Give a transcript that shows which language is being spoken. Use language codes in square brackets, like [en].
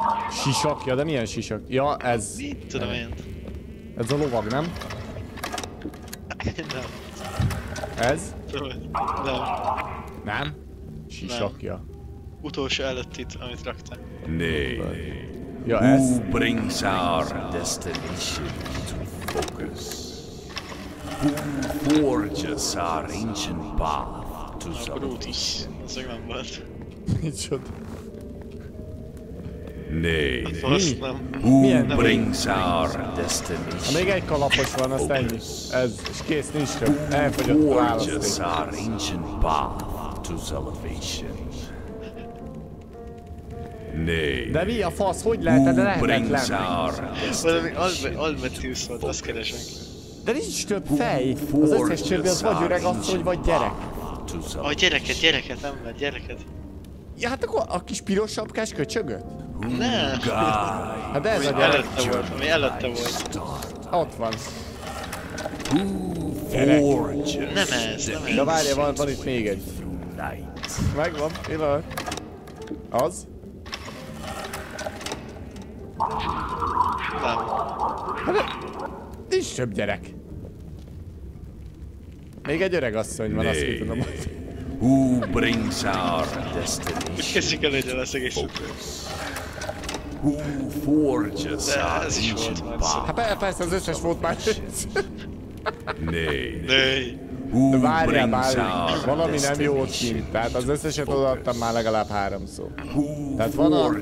[hu] Sisakja, de milyen sisak? Ja, ez... Mit tudom én. Ez a lovag, nem? Nem. Ez? Nem. Nem? Sisakja. Utolsó előtt itt, amit raktam. Négy. Ja, ez? [en] Who brings our destination to focus? Who forges our ancient path to salvation? [hu] Micsoda? Négy. Faszlam. [en] Who brings our destination? [hu] Ha még egy kalapos van, az ennyi. Ez, és kész, nincs több. Elfogyott a választék. [en] Who forges our ancient path to salvation? Nee. [hu] De mi a fasz? Hogy lehetett lehetetlen? Valami Albertus volt, azt keresem. De nincs több fej. Az összes többi az vagy öreg asszony, vagy gyerek. A gyereket, gyereket, ember, gyereket. Ja, hát akkor a kis piros sapkás köcsögöt? Nem. Hát de ez ami a gyerek. Előtte volt, ami előtte volt. Ott van. Gyerek. Nem ez, nem ez. De várja, van itt még egy. Megvan, pillanat. Az? Nem. Hát, nincs több gyerek. Még egy öreg asszony van, azt ki tudom. [en] Who brings our destination? [hu] Kezdjük el egyen az egész. [en] Who forges our ancient path? [hu] Hát persze, az összes volt már. Nej. Várjál, várjál. Valami nem jó kint. Tehát az összeset odaadtam már legalább háromszor. Tehát van a...